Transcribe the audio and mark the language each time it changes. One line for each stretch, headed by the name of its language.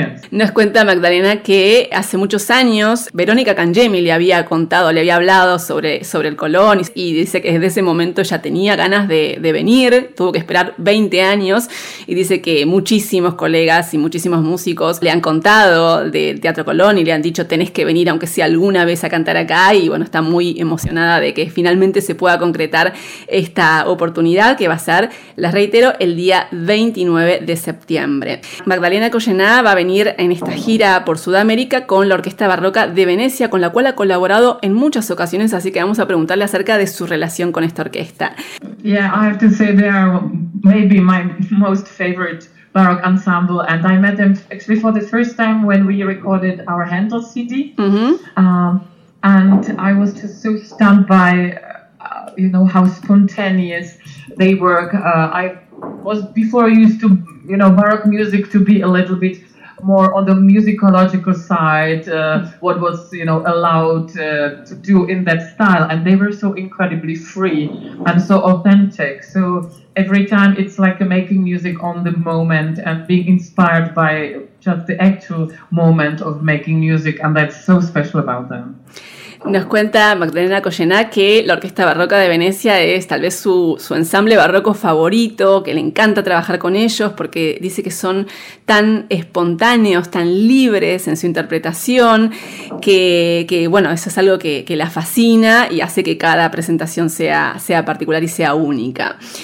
Spanish: Nos cuenta Magdalena que hace muchos años Verónica Cangemi le había contado, le había hablado sobre el Colón y dice que desde ese momento ya tenía ganas de venir, tuvo que esperar 20 años y dice que muchísimos colegas y muchísimos músicos le han contado del Teatro Colón y le han dicho tenés que venir aunque sea alguna vez a cantar acá y bueno, está muy emocionada de que finalmente se pueda concretar esta oportunidad que va a ser, les reitero, el día 29 de septiembre. Magdalena Collená va a venir en esta gira por Sudamérica con la Orquesta Barroca de Venecia, con la cual ha colaborado en muchas ocasiones, así que vamos a preguntarle acerca de su relación con esta orquesta.
English: Yeah, I have to say they are maybe my most favorite baroque ensemble, and I met them actually for the first time when we recorded our Handel CD. And I was just so stunned by you know, how spontaneous they work. I was before used to, you know, baroque music to be a little bit more on the musicological side, what was, you know, allowed to do in that style. And they were so incredibly free and so authentic. So every time it's like making music on the moment and being inspired by just the actual moment of making music. And that's so special about them.
Spanish: Nos cuenta Magdalena Collená que la Orquesta Barroca de Venecia es tal vez su ensamble barroco favorito, que le encanta trabajar con ellos porque dice que son tan espontáneos, tan libres en su interpretación, que bueno, eso es algo que la fascina y hace que cada presentación sea particular y sea única.